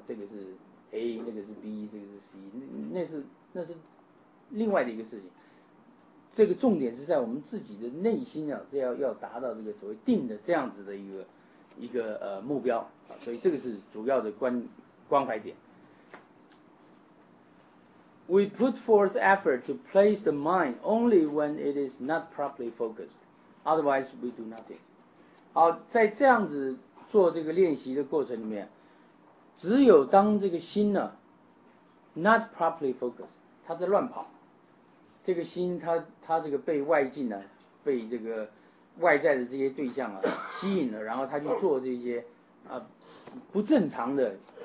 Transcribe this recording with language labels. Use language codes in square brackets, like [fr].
[zh] 这个是 A， 那个是 B， 这个是 C， 那是另外的一个事情。这个重点是在我们自己的内心啊，是要达到这个所谓定的这样子的一个目标啊。所以这个是主要的关怀点。 [en] We put forth effort to place the mind only when it is not properly focused. Otherwise, we do nothing. [zh] 好，在这样子做这个练习的过程里面，只有当这个心呢 ， [en] not properly focused， [zh] 它在乱跑，这个心它这个被外境呢，被这个外在的这些对象啊吸引了，然后它就做这些啊不正常的